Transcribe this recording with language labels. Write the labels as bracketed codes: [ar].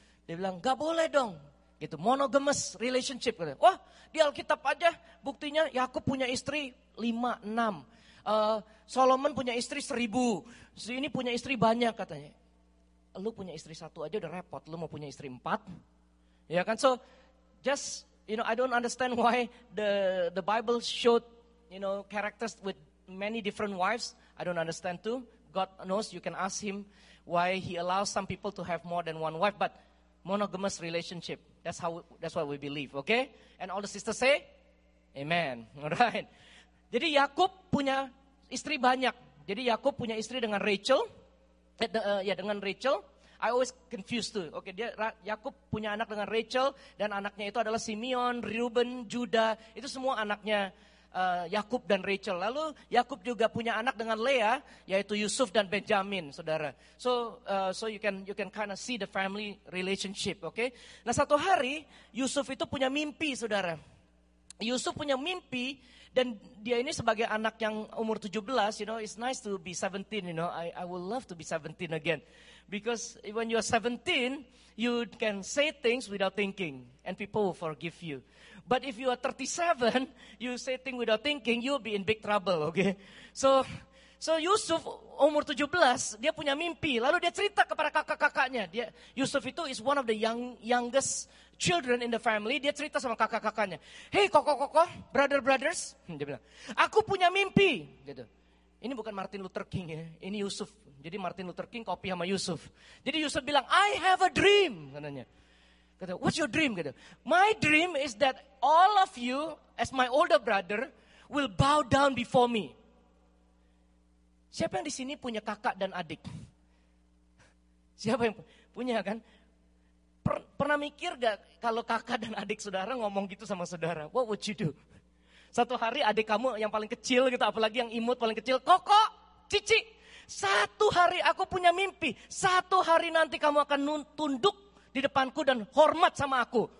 [id] Dia bilang, "Gak boleh dong." Gitu, monogamous relationship. Wah, di Alkitab aja buktinya Yakub punya istri 5, 6. Solomon punya istri 1000. Si ini punya istri banyak, katanya. Lu punya istri 1 aja udah repot. Lu mau punya istri 4? Ya kan? [en] So, just, you know, I don't understand why the Bible showed you know, characters with many different wives. I don't understand too. God knows, you can ask him why he allows some people to have more than one wife. But monogamous relationship, that's what we believe, okay? And all the sisters say, amen. All right. [id] Jadi Yakub punya istri banyak. Jadi Yakub punya istri dengan Rachel. Dengan Rachel. [en] I always confused too. [id] Okay, dia Yakub punya anak dengan Rachel dan anaknya itu adalah Simeon, Reuben, Judah. Itu semua anaknya Yakub dan Rachel. Lalu Yakub juga punya anak dengan Leah, yaitu Yusuf dan Benjamin, saudara. [en] So you can kind of see the family relationship, okay? [id] Nah, satu hari Yusuf itu punya mimpi, saudara. Yusuf punya mimpi. Dan dia ini sebagai anak yang umur 17, [en] you know, it's nice to be 17, you know. I would love to be 17 again. Because when you are 17, you can say things without thinking and people will forgive you. But if you are 37, you say things without thinking, you'll be in big trouble, okay? [id] So Yusuf umur 17, dia punya mimpi. Lalu dia cerita kepada kakak-kakaknya. Dia, Yusuf itu [en] is one of the youngest children in the family. [id] Dia cerita sama kakak-kakaknya. Hey, koko-koko, brothers. Dia bilang, aku punya mimpi. Gitu. Ini bukan Martin Luther King ya, ini Yusuf. Jadi Martin Luther King copy sama Yusuf. Jadi Yusuf bilang, [en] I have a dream. [id] Katanya. Kata, [en] what's your dream? [id] Kata, [en] my dream is that all of you, as my older brother, will bow down before me. [id] Siapa yang di sini punya kakak dan adik? Siapa yang punya kan? Pernah mikir gak kalau kakak dan adik saudara ngomong gitu sama saudara? [en] What would you do? [id] Satu hari adik kamu yang paling kecil gitu, apalagi yang imut paling kecil, koko, cici, satu hari aku punya mimpi, satu hari nanti kamu akan tunduk di depanku dan hormat sama aku.